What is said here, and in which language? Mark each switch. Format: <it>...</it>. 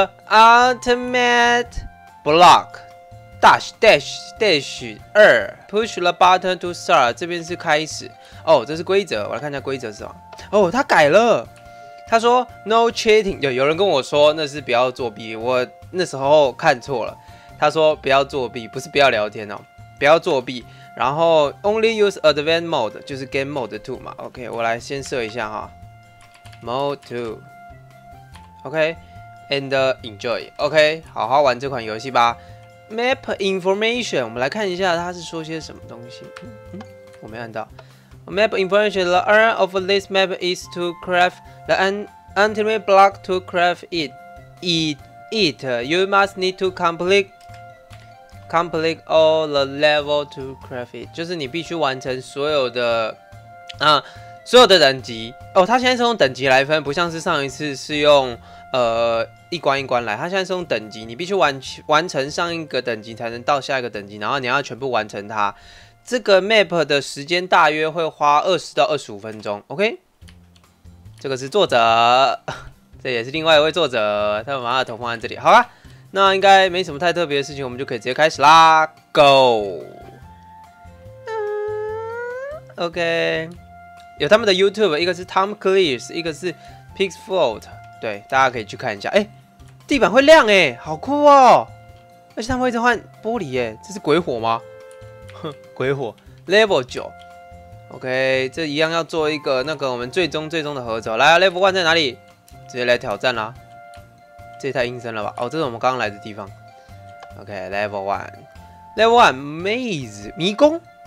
<en>Ultimate block dash dash dash</en> <zh>二</zh> <en>push the button to start，</en> <zh>这边是开始哦，这是规则，我来看一下规则是什么。哦，他改了，他说</zh> <en>no cheating，</en> <zh>有人跟我说那是不要作弊，我那时候看错了，他说不要作弊，不是不要聊天哦，不要作弊。然后</zh> <en>only use advanced mode，</en> <zh>就是 game mode 2嘛。 OK， 我来先设一下哈 mode 2。</zh> <en>OK。 And enjoy.</en> <zh>OK， 好好玩这款游戏吧。Map information， 我们来看一下它是说些什么东西。我没看到。</zh> <en>Map information: The aim of this map is to craft the ultimate block to craft it. You must need to complete all the level to craft it.</en> <zh>就是你必须完成所有的所有的等级。哦，它现在是用等级来分，不像是上一次是用。一关一关来，他现在是用等级，你必须 完成上一个等级才能到下一个等级，然后你要全部完成它。这个 map 的时间大约会花20到25分钟。 OK， 这个是作者，这也是另外一位作者，他把他的头放在这里。好吧，那应该没什么太特别的事情，我们就可以直接开始啦 ，Go。 OK， 有他们的 YouTube， 一个是 Tom Cleese， 一个是 Pixfold。对，大家可以去看一下。哎，地板会亮哎，好酷哦！而且他们会一直换玻璃哎，这是鬼火吗？哼，鬼火 level 9。 OK， 这一样要做一个那个我们最终的合作。来啊 ，level 1在哪里？直接来挑战啦！这也太阴森了吧！哦，这是我们刚刚来的地方。 OK，level 1，level 1 maze 迷宫？</zh>